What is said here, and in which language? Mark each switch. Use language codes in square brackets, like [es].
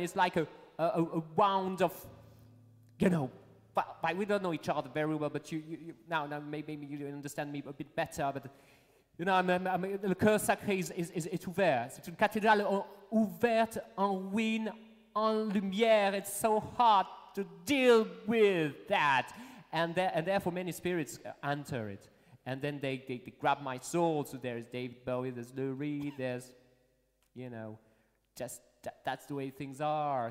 [en] It's like a wound of, you know, but we don't know each other very well, but you now maybe you understand me a bit better, but, you know, I'm [fr] le cœur sacré est ouvert. C'est une cathédrale ouverte en ruine, en lumière. [en] It's so hot to deal with that, and therefore many spirits enter it, and then they grab my soul. So there is David Bowie, there's Lou Reed, there's, you know, just that's the way things are.